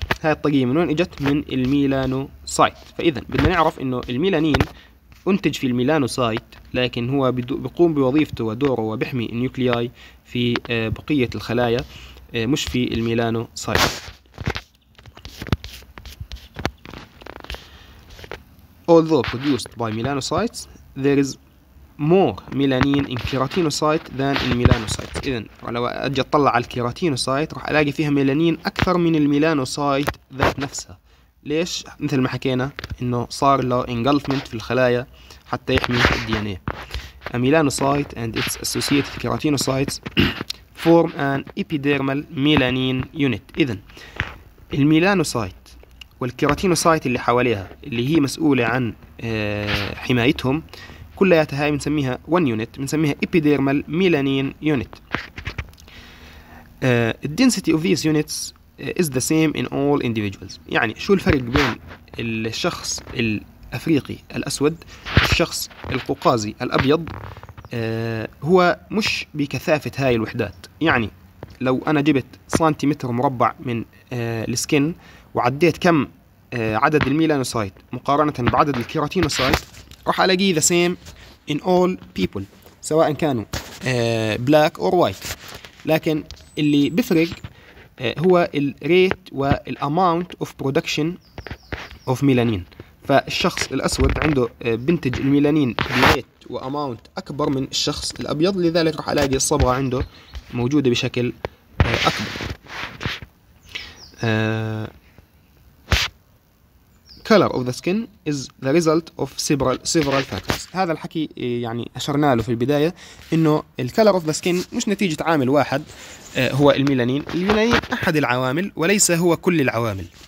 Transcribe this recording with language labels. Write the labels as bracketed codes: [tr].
[ar] هاي الطاقية من وين اجت؟ من الميلانوسايت. فاذا بدنا نعرف انه الميلانين انتج في الميلانوسايت، لكن هو بيقوم بوظيفته ودوره وبيحمي النيوكلياي في بقية الخلايا مش في الميلانوسايت. [en] Although produced by melanocytes, there is more melanin in keratinocyte than in melanocyte. [ar] إذن لو أجي أطلع على الكيراتينوسايت راح ألاقي فيها ميلانين أكثر من الميلانوسايت ذات نفسها. ليش؟ مثل ما حكينا إنه صار له engulfment في الخلايا حتى يحمي الDNA. [en] A melanocyte and its associated keratinocytes form an epidermal melanin unit. [ar] إذن الميلانوسايت والكيراتينوسايت اللي حواليها اللي هي مسؤولة عن حمايتهم كلياتها هاي بنسميها one unit، بنسميها epidermal melanin unit. [en] Density of these units is the same in all individuals. [ar] يعني شو الفرق بين الشخص الأفريقي الأسود والشخص القوقازي الأبيض؟ هو مش بكثافة هاي الوحدات. يعني لو أنا جبت سنتيمتر مربع من السكن وعديت كم عدد الميلانوسايت مقارنة بعدد الكيراتينوسايت راح ألاقيه [en] the same in all people [ar] سواء كانوا [en] black or white. [ar] لكن اللي بفرق هو ال rate وال [en] amount of production of melanin. [ar] فالشخص الأسود عنده بنتج الميلانين ب rate و amount أكبر من الشخص الأبيض، لذلك راح ألاقي الصبغة عنده موجودة بشكل أكبر. Color of the skin is the result of several factors. هذا الحكي يعني أشرنا له في البداية إنه [en] color of the skin [ar] مش نتيجة عامل واحد هو الميلانين. الميلانين أحد العوامل وليس هو كل العوامل.